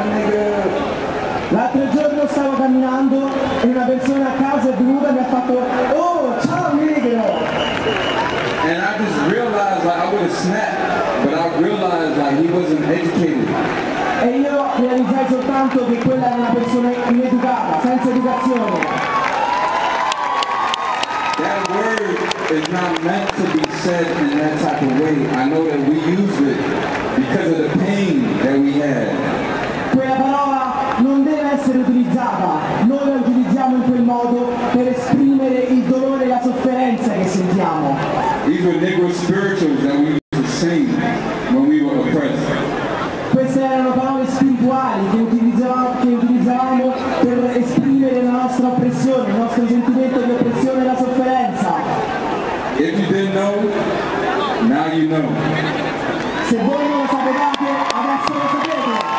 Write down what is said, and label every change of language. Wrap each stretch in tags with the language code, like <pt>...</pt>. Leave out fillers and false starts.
<it>L'altro giorno stavo camminando e una persona a casa è venuta e mi ha fatto oh ciao negro.</it> <en>And I just realized like I would have snapped, but I realized like he wasn't educated.</en> <it>E io realizzai soltanto che quella era una persona ineducata, senza educazione.</it> <en>That word is not meant to be said in that type of way. I know that we use it because of the pain that we had.</en> <it>Quella parola non deve essere utilizzata. Noi la utilizziamo in quel modo per esprimere il dolore e la sofferenza che sentiamo.</it> <en>These were Negro spirituals that we used to sing when we were oppressed.</en> <it>Queste erano parole spirituali che utilizzavamo per esprimere la nostra oppressione, il nostro sentimento di oppressione e la sofferenza.</it> <en>If you didn't know, now you know.</en> <it>Se voi non lo sapevate, adesso lo sapete.</it>